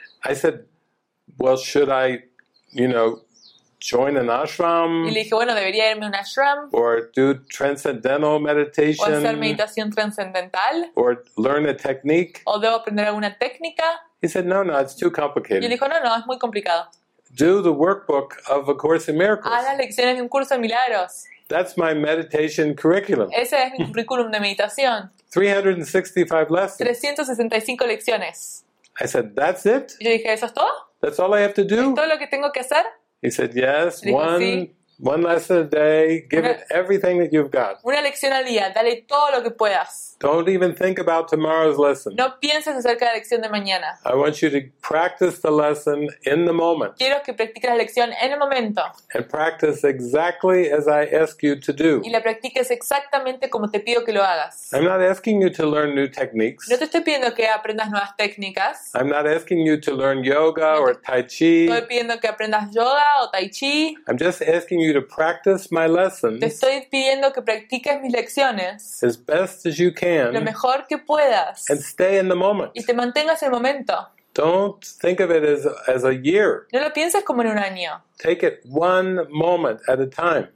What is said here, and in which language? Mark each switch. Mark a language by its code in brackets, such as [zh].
[en] I said, well, should I, you know, join an ashram? [es] Y le dije, bueno, debería irme a un ashram. [en] Or do transcendental meditation. [es] O hacer meditación transcendental. [en] Or learn a technique. [es] O debo aprender alguna técnica. [en] He said, no, it's too complicated. [es] Y le dijo, no, es muy complicado. [en] Do the workbook of A Course in Miracles. [es] Haz las lecciones de Un Curso de Milagros. [en] That's my meditation curriculum. [es] Ese es mi currículum de meditación. [en] 365 lessons. [es] 365 lecciones. [en] I said, that's it? [es] Y yo dije, ¿eso es todo? [en] That's all I have to do? [es] ¿Es todo lo que tengo que hacer? [en] He said, yes, one lesson a day. Give it everything that you've got. [es] Una lección al día. Dale todo lo que puedas. [en] Don't even think about tomorrow's lesson. [es] No pienses acerca de la lección de mañana. [en] I want you to practice the lesson in the moment. [es] Quiero que practiques la lección en el momento. [en] And practice exactly as I ask you to do. [es] Y la practiques exactamente como te pido que lo hagas. [en] I'm not asking you to learn new techniques. [es] No te estoy pidiendo que aprendas nuevas técnicas. [en] I'm not asking you to learn yoga or tai chi. [es] No estoy pidiendo que aprendas yoga o tai chi. [en] I'm just asking you to practice my lessons. [es] Te estoy pidiendo que practiques mis lecciones. [en] As best as you can. [es] Lo mejor que puedas. [en] And stay in the moment. [es] Y te mantengas en el momento. [en] Don't think of it as a year. [es] No lo pienses como en un año. [en] Take it one moment at a time.